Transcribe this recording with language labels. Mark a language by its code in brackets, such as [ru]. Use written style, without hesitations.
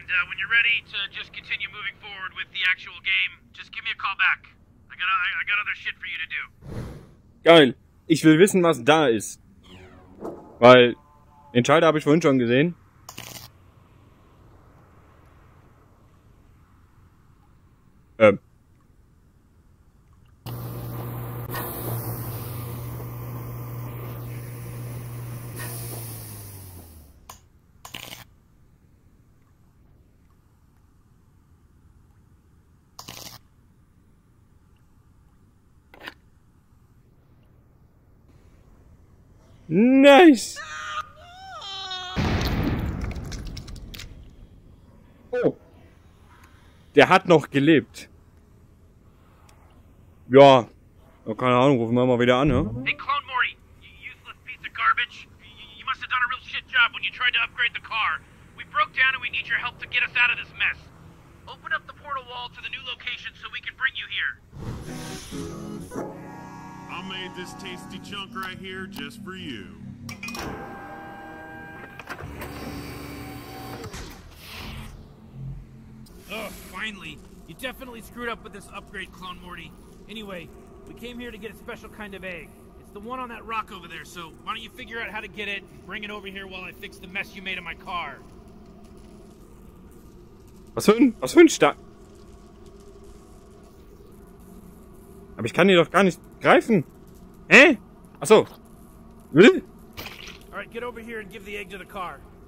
[en] When you're ready to just continue moving forward with the actual game, just give me a call back. I got other shit for you to do. [de] Geil. Ich will wissen, was da ist. Weil, den Schalter habe ich vorhin schon gesehen. [en] Nice! [de] Oh! Der hat noch gelebt. Ja, keine Ahnung, rufen wir mal wieder an, ne? [en] Hey, Clone Morty, you useless piece of garbage. You must have done a real shit job when you tried to upgrade the car. We broke down and we need your help to get us out of this mess. Open up the portal wall to the new location so we can bring you here. I made this tasty chunk right here just for you. Oh, finally. You definitely screwed up with this upgrade, Clone Morty. Anyway, we came here to get a special kind of egg. It's the one on that rock over there, so why don't you figure out how to get it and bring it over here while I fix the mess you made in my car. [de] Was für ein Stein? Aber ich kann die doch gar nicht greifen. Hä? Achso. [en] Alright, get over here and give the egg to the car.